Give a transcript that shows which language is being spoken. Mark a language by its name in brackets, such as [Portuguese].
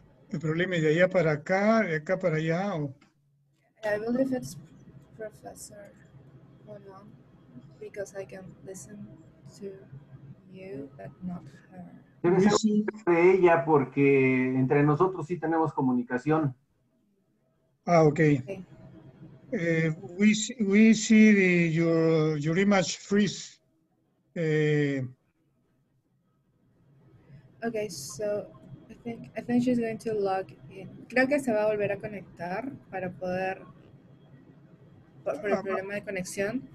[Spanish] el problema es de allá para acá, de acá para allá. O... [English] I believe it's Professor Rolland because I can listen to you but not her. [Spanish] Debe ser de ella porque entre nosotros sí tenemos comunicación. [English] Ah, okay. We see the, your image freeze. Okay, so I think she's going to log in. [Spanish] Creo que se va a volver a conectar para poder por el problema de conexión.